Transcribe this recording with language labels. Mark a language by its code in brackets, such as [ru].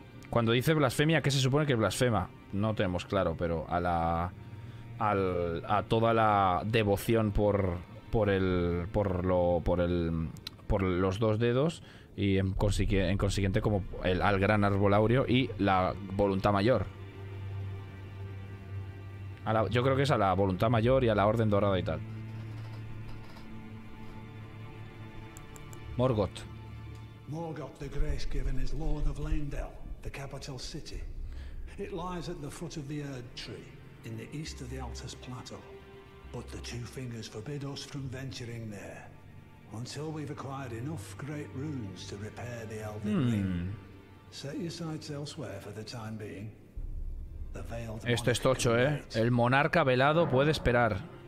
[es] Cuando dice blasfemia, ¿qué se supone que blasfema? No tenemos claro, pero a toda la devoción por los dos dedos. Y en consiguiente como al gran árbol áureo y la voluntad mayor. Yo creo que es a la voluntad mayor y a la orden dorada y tal. Morgoth. [en] Morgoth the grace given is lord of Laendel, the capital city. It lies at the foot of the Erd tree in the east of the Altus Plateau. But the two fingers forbid us from venturing there. Until we've acquired enough great runes to repair the Elven Ring. Set your sights elsewhere for the time being. The veiled. [es] Esto es tocho, El monarca velado puede esperar.